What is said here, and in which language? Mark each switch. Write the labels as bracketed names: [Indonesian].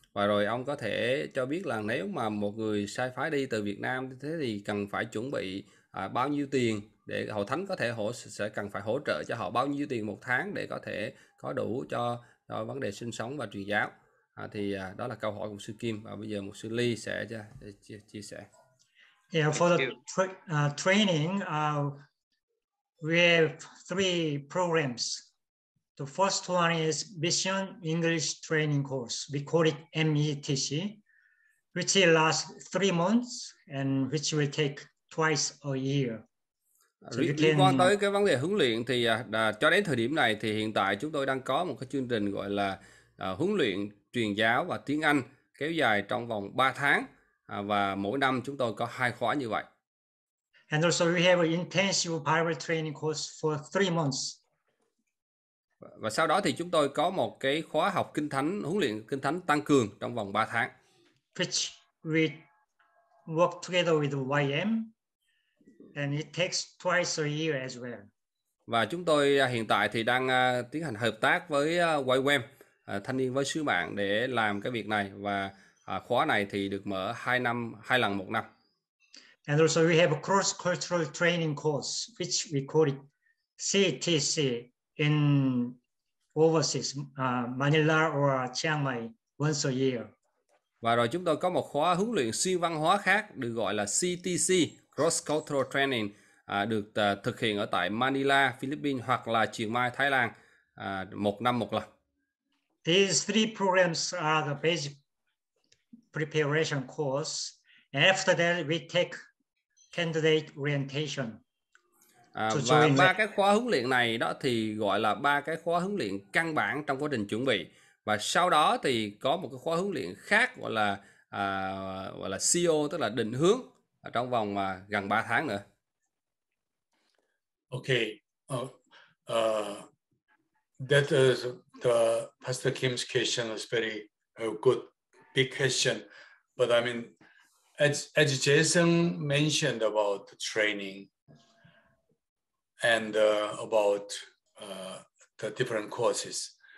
[Vietnamese] Và rồi ông có thể cho biết là nếu mà một người sai phái đi từ Việt Nam thế thì cần phải chuẩn bị bao nhiêu tiền, để hội thánh có thể sẽ cần phải hỗ trợ cho họ bao nhiêu tiền một tháng để có thể có đủ cho vấn đề sinh sống và truyền giáo. Đó là câu hỏi của sư Kim. Và bây giờ mục sư Ly sẽ chia sẻ. [English] Yeah, for the training, we have three programs. The first one is Mission English Training Course. We call it METC, which will last 3 months and which will take twice a year. [Vietnamese] Liên quan tới cái vấn đề huấn luyện thì cho đến thời điểm này thì hiện tại chúng tôi đang có một cái chương trình gọi là huấn luyện truyền giáo và tiếng Anh kéo dài trong vòng 3 tháng và mỗi năm chúng tôi có 2 khóa như vậy. [English] And also we have an intensive Bible training course for 3 months. [Vietnamese] Và sau đó thì chúng tôi có một cái khóa học kinh thánh, huấn luyện kinh thánh tăng cường trong vòng 3 tháng. [English] Which we work together with YM. And it takes twice a year as well. [Vietnamese] Và chúng tôi hiện tại thì đang tiến hành hợp tác với YWAM, thanh niên với sứ mạng để làm cái việc này. Và khóa này thì được mở 2 lần một năm. [English] And also we have a cross-cultural training course, which we call it CTC in overseas, Manila or Chiang Mai once a year. [Vietnamese] Và rồi chúng tôi có một khóa huấn luyện xuyên văn hóa khác được gọi là CTC, Cross Cultural Training, được thực hiện ở tại Manila, Philippines hoặc là Chiang Mai, Thái Lan, một năm một lần. [English] These three programs are the basic preparation course. After that, we take candidate orientation. [Vietnamese] Và ba cái khóa huấn luyện này đó thì gọi là ba cái khóa huấn luyện căn bản trong quá trình chuẩn bị. Và sau đó thì có một cái khóa huấn luyện khác gọi là CO, tức là định hướng, ở trong vòng gần 3 tháng nữa. [English] Okay. That is the Pastor Kim's question is very good, big question. But I mean, as Jason mentioned about training and about the different courses.